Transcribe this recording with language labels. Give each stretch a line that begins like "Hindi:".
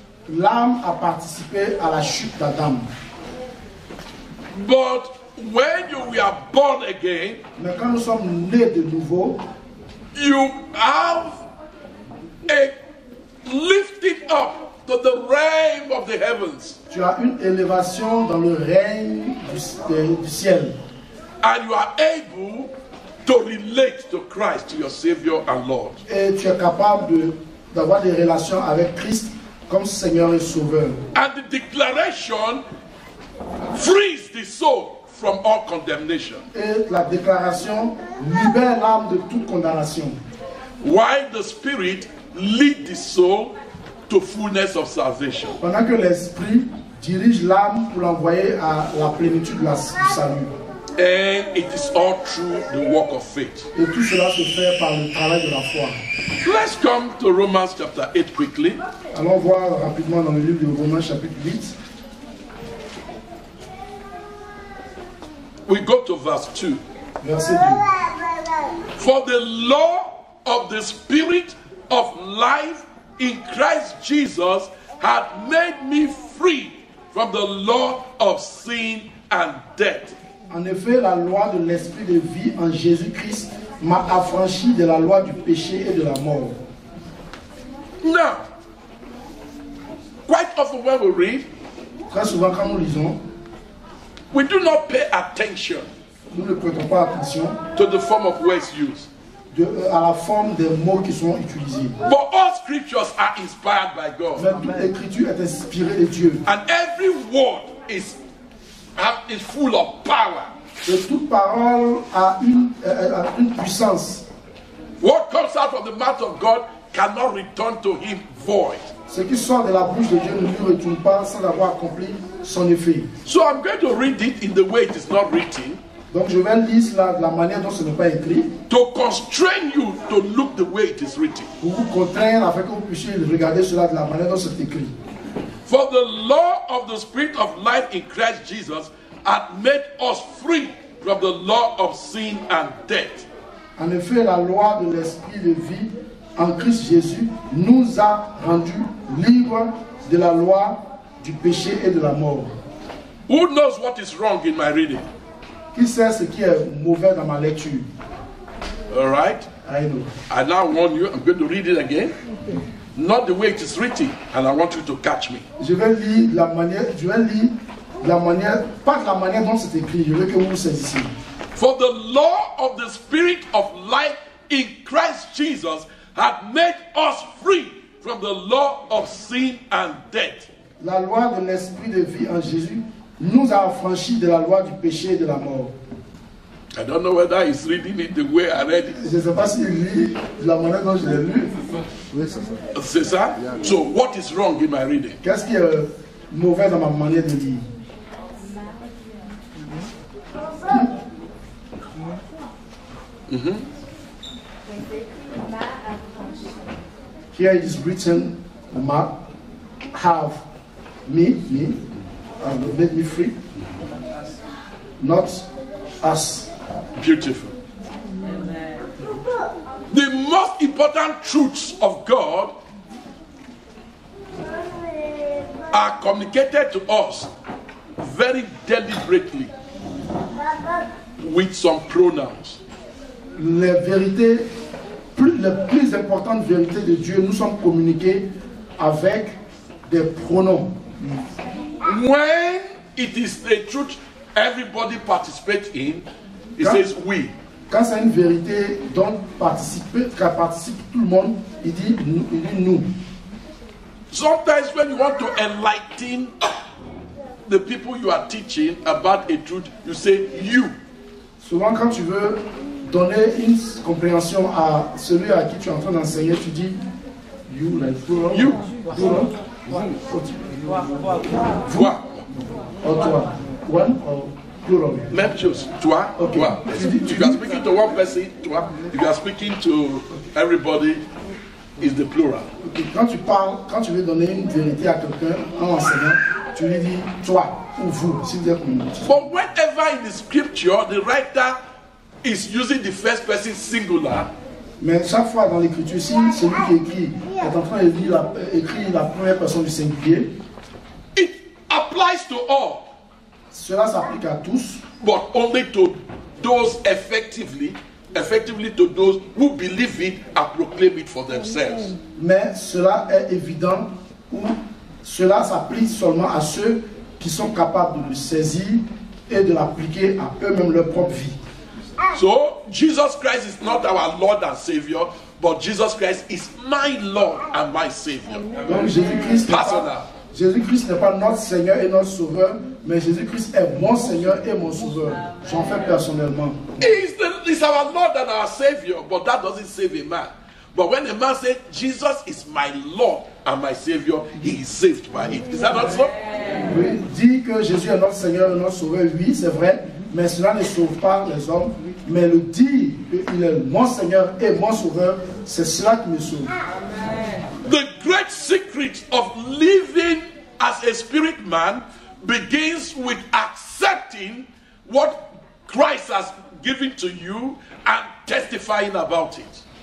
French: L'âme a participé à la chute d'Adam.
English: But when you were born again,
French: mais quand nous sommes nés de nouveau,
English: you have a lifted up to the realm of the heavens.
French: Tu as une élévation dans le règne du ciel.
English: And you are able to relate to Christ, your Savior and Lord.
French: Et tu es capable de d'avoir des relations avec Christ comme Seigneur et Sauveur.
English: And the declaration frees the soul from all condemnation.
French: Et la déclaration libère l'âme de toute condamnation.
English: While the Spirit leads the soul to fullness of salvation.
French: Pendant que l'Esprit dirige l'âme pour l'envoyer à la plénitude du salut.
English: And it is all through the work of faith.
French: Et tout cela se fait par le travail de la foi.
English: Let's come to Romans chapter 8 quickly.
French: Allons voir rapidement dans le livre de Romains chapitre 8.
English: We go to verse 2.
French: Verset 2.
English: For the law of the Spirit of life in Christ Jesus had made me free from the law of sin and death.
French: En effet, la loi de l'esprit de vie en Jésus-Christ m'a affranchi de la loi du péché et de la mort.
English: Now, quite often when we read,
French: très souvent quand nous lisons,
English: we do not pay attention.
French: Nous ne prêtons pas attention
English: to the form of words used.
French: À la forme des mots qui sont utilisés.
English: But all scriptures are inspired by God.
French: Mais toute écriture est inspirée de Dieu.
English: And every word is full of power.
French: Et toute parole a une puissance.
English: What comes out of the mouth of God cannot return to him void.
French: Ce qui sort de la bouche de Dieu ne lui retourne pas sans avoir accompli son effet.
English: So I'm going to read it in the way it is not written.
French: Donc je vais lire cela de la manière dont ce n'est pas écrit.
English: To constrain you to look the way it is written.
French: Pour vous contraindre afin que vous puissiez regarder cela de la manière dont c'est écrit.
English: For the law of the Spirit of life in Christ Jesus had made us free from the law of sin and death.
French: En effet, la loi de l'esprit de vie en Christ Jésus nous a rendus libres de la loi du péché et de la mort.
English: Who knows what is wrong in my reading?
French: Qui sait ce qui est mauvais dans ma lecture?
English: All right. I know. I now warn you, I'm going to read it again. Not the way it is written, and I want you to catch me.
French: Je vais lire la manière, pas la manière dont c'est écrit. Je veux que vous saisissiez.
English: For the law of the Spirit of life in Christ Jesus had made us free from the law of sin and death.
French: La loi de l'esprit de vie en Jésus nous a affranchi de la loi du péché et de la mort.
English: I don't know whether he's reading it the way I read it.
French: Je ne sais pas s'il lit de la manière dont je l'ai lu. Oui, c'est ça.
English: So what is wrong in my reading?
French: Qu'est-ce qui est mauvais dans ma manière de lire?
English: Here it is written, "Ma have me, and made me free." Not as beautiful. The most important truths of God are communicated to us very deliberately with some pronouns.
French: Les vérités, les plus importantes vérités de Dieu nous sont communiquées avec des pronoms.
English: When it is the truth everybody participates in, it says we.
French: Quand c'est une vérité dont participe tout le monde, il dit nous.
English: Sometimes when you want to enlighten the people you are teaching about a truth, you say you.
French: Souvent quand tu veux donner une compréhension à celui à qui tu es en train d'enseigner, tu dis you, like plural.
English: You. Plural.
French: Toi. Oh, toi.
English: One or plural.
French: Même chose. Toi.
English: Okay.
French: Toi. Tu
English: are speaking to one person,
French: toi.
English: If you are speaking to everybody, is the plural. Okay.
French: Quand tu parles, quand tu veux donner une vérité à quelqu'un en enseignant, tu lui dis toi ou vous, si vous êtes.
English: For whatever in the scripture, the writer is using the first person singular.
French: Mais chaque fois dans l'écriture, si celui qui écrit est en train de lire écrit la première personne du singulier,
English: it applies to all.
French: Cela s'applique à tous.
English: but only to those effectively to those who believe it and proclaim it for themselves.
French: Mais cela est évident ou cela s'applique seulement à ceux qui sont capables de le saisir et de l'appliquer à eux-mêmes leur propre vie.
English: So Jesus Christ is not our Lord and Savior, but Jesus Christ is my Lord and my Savior.
French: Donc Jésus-Christ n'est pas notre Seigneur et notre Sauveur, mais Jésus-Christ est mon Seigneur et mon Sauveur. J'en fais personnellement.
English: He's our Lord and our Savior, but that doesn't save a man. But when a man says, Jesus is my Lord and my Savior, he is saved by it. Is that not so?
French: Oui, dit que Jésus est notre Seigneur et notre Sauveur, oui, c'est vrai. Mais cela ne sauve pas les hommes. Mais le dire qu'il est mon Seigneur et mon Sauveur, c'est cela qui me sauve.
English: The great secret of living as a spirit man begins with accepting what Christ has given to you and testifying about it.